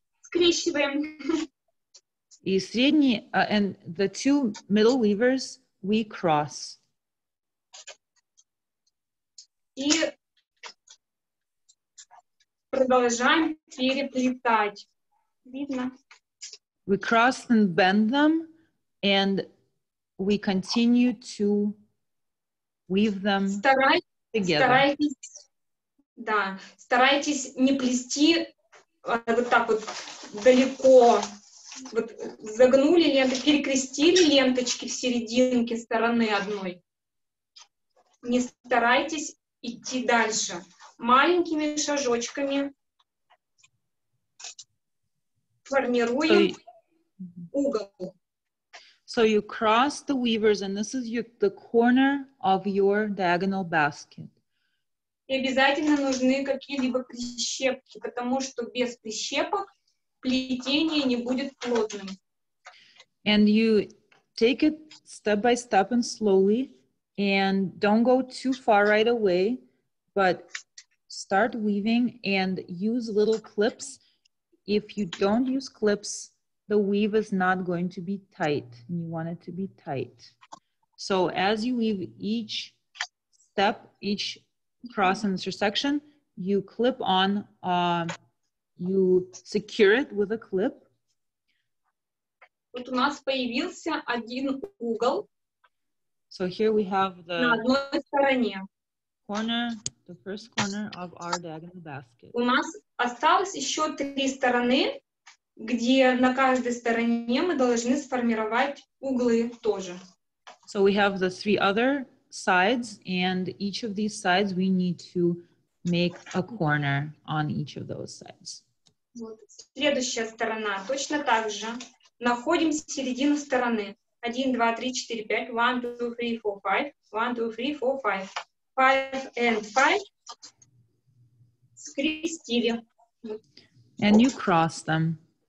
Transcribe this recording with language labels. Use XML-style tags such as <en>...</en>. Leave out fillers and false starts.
<ru>Скрещиваем. И средний,</ru> <en>and the two middle weavers, we cross.</en> <ru>И продолжаем переплетать. Видно?</ru> <en>We cross and bend them, and we continue to weave them together.</en> <ru>Старайтесь не плести вот так вот далеко. Вот загнули ленточки, перекрестили ленточки в серединке стороны одной. Не старайтесь идти дальше. Маленькими шажочками формируем угол.</ru> <en>So you cross the weavers, and this is the corner of your diagonal basket.</en> <ru>И обязательно нужны какие-либо прищепки, потому что без прищепок плетение не будет плотным.</ru> <en>And you take it step by step and slowly, and don't go too far right away, but start weaving and use little clips. If you don't use clips, the weave is not going to be tight, and you want it to be tight. So as you weave each step, each cross and intersection, you clip on, you secure it with a clip.</en> <ru>Вот у нас появился один угол.</ru> <en>So here we have the</en> <ru>на одной стороне.</ru> <en>Corner, the first corner of our diagonal basket.</en> <ru>У нас осталось еще три стороны, где на каждой стороне мы должны сформировать углы тоже.</ru> <en>So we have the three other sides, and each of these sides we need to make a corner on each of those sides.</en> <ru>Вот. Следующая сторона точно так же. Находим середину стороны. 1, 2, 3, 4, 5. 1, 2, 3, 4, 5. 1, 2, 3, 4, 5.</ru> <en>5 and 5.</en> <ru>Скрестили.</ru> <en>And you cross them.</en>